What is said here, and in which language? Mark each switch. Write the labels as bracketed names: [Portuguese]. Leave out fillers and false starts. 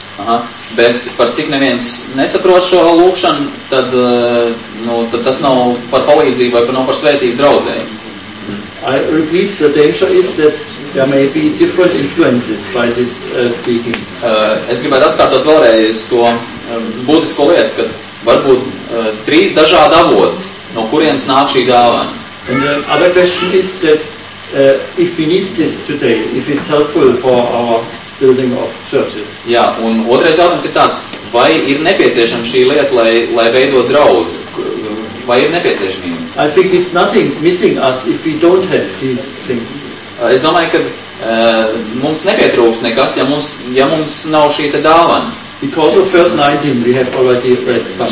[Latvian] Aha, bet par cik neviens nesaprot šo lūkšanu, tad tas nav par palīdzību vai nav par svētību draudzēm. [English] I repeat, the danger is that there may be different influences by this speaking. [Latvian] Es gribētu atkārtot vēlreiz to būtisko lietu, ka varbūt trīs dažādi avoti, no kurienes nāk šī dāvana. [English] And the other question is that if we need this today, if it's helpful for our building of churches. [Latvian] Jā, un otrais jautājums ir tāds, vai ir nepieciešama šī lieta, lai veidot draudzi, vai ir nepieciešamība? [English] I think it's nothing missing us if we don't have these things. [Latvian] Es domāju, ka mums nepietrūks nekas, ja mums nav šī te dāvana. [English] Because of verse 19 we have already read some.